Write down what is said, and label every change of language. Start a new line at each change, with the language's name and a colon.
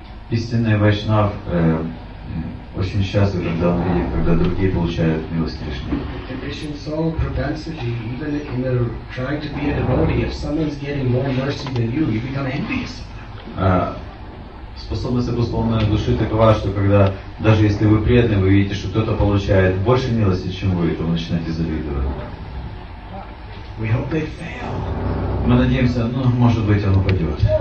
Russian: Истинный вайшнав очень счастлив, когда он видит, когда другие получают милость Кришны.
English: Conditioned soul propensity, even in the trying to be a devotee, if someone's getting more mercy than you, you become envious.
Russian: Способность обусловленной души такова, что когда даже если вы преданный, вы видите, что кто-то получает больше милости, чем вы, то вы начинаете завидовать.
English: We hope they fail.
Russian: Мы надеемся, ну, может быть, он упадет.